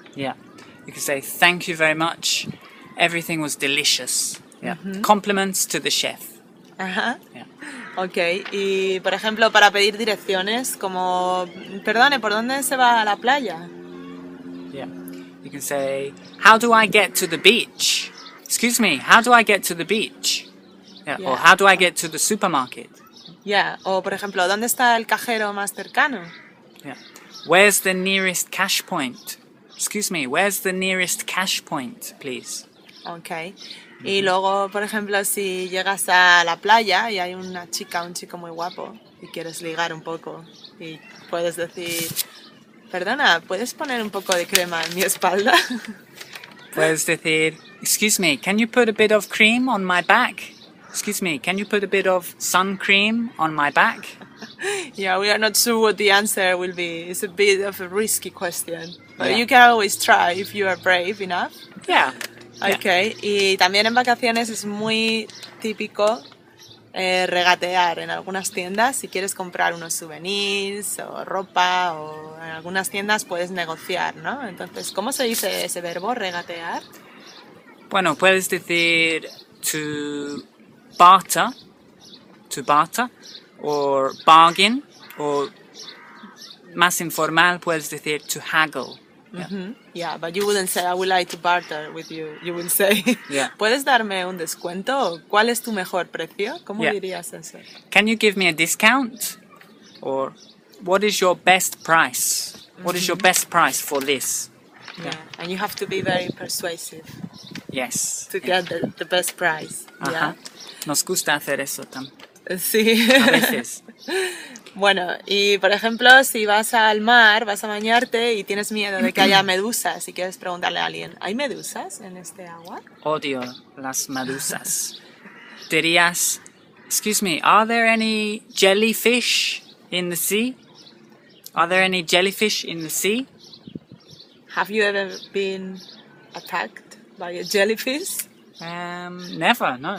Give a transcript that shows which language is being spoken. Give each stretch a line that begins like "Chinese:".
English: Yeah, you can say, thank you very much, everything was delicious. Yeah. Mm-hmm. Compliments to the chef. Ajá. Yeah.
Spanish: Okay, y por ejemplo, para pedir direcciones, como, perdone, ¿por dónde se va a la playa?
English: Yeah, you can say, how do I get to the beach? Excuse me, how do I get to the beach? Yeah. Or how do I get to the supermarket?
Spanish: Yeah, o por ejemplo, ¿dónde está el cajero más cercano?
English: Yeah. Where's the nearest cash point? Excuse me, where's the nearest cash point, please? Okay.
Spanish: Mm-hmm. Y luego, por ejemplo, si llegas a la playa y hay una chica, un chico muy guapo, y quieres ligar un poco, y puedes decir: perdona, ¿puedes poner un poco de crema en mi espalda? Puedes decir:
English: excuse me, can you put a bit of cream on my back? Excuse me, can you put a bit of sun cream on my back? Yeah, we are not sure what the answer will be. It's a bit of a risky question. But you can always try if you are brave enough. Yeah. Okay. Yeah.
Spanish: Y también en vacaciones es muy típico regatear en algunas tiendas. Si quieres comprar unos souvenirs o ropa, o en algunas tiendas puedes negociar, ¿no? Entonces, ¿cómo se dice ese verbo, regatear? Bueno, puedes decir to...
English: barter, to barter, or bargain, or
Spanish: más informal puedes decir
English: to haggle. Mm-hmm. Yeah, but you wouldn't say I would like to barter with you. You would say,
Spanish: ¿puedes darme un descuento? ¿Cuál es tu mejor precio? ¿Cómo dirías eso?
English: Can you give me a discount? Or what is your best price? Mm-hmm. What is your best price for this? Yeah, and you have to be very persuasive. Yes. To get the best price.
Spanish: Uh-huh. Yeah. Nos gusta hacer eso también. Sí. A veces. Bueno, y por ejemplo, si vas al mar, vas a bañarte y tienes miedo de que haya medusas y quieres preguntarle a alguien, ¿hay medusas en este agua? Odio las medusas. Dirías,
English: excuse me, are there any jellyfish in the sea? Are there any jellyfish in the sea? Have you ever been attacked by a jellyfish? Never, no.